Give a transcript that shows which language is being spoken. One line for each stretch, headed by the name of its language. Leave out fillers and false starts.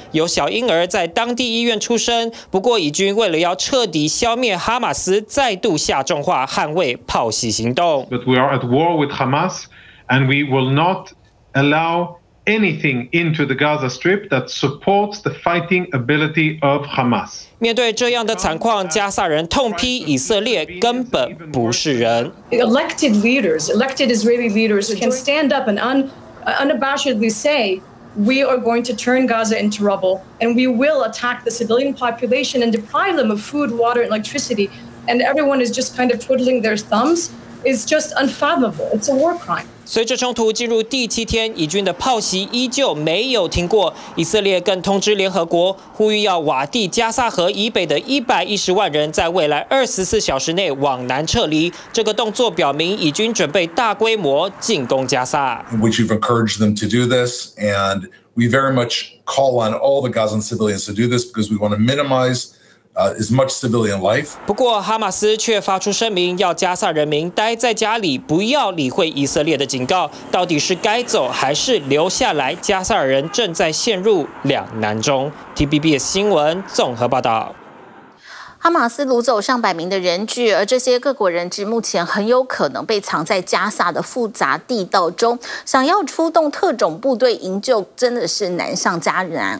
Chinese: 有小婴儿在当地医院出生。不过，以军为了要彻底消灭哈马斯，再度下重话，捍卫炮袭行动。
English: But we are at war with Hamas, and we will not allow anything into the Gaza Strip that supports the fighting ability of Hamas.
Chinese: 面对这样的惨况，加萨人痛批以色列根本不是人。
English: Elected leaders, elected Israeli leaders can stand up and unabashedly say, we are going to turn Gaza into rubble, and we will attack the civilian population and deprive them of food, water, and electricity, and everyone is just kind of twiddling their thumbs, is just unfathomable. It's a war crime.
Chinese: 随着冲突进入第七天，以军的炮袭依旧没有停过。以色列更通知联合国，呼吁要瓦地加萨河以北的110万人在未来24小时内往南撤离。这个动作表明，以军准备大规模进攻加萨。
English: Which we've encouraged them to do this, and we very much call on all the Gazan civilians to do this because we want to minimize. Is much civilian life.
Chinese: 不过哈马斯却发出声明，要加萨人民待在家里，不要理会以色列的警告。到底是该走还是留下来？加萨人正在陷入两难中。TVBS 新闻综合报道。马斯掳走上百名的人质，而这些各国人质目前很有可能被藏在加萨的复杂地道中，想要出动特种部队营救真的是难上加难。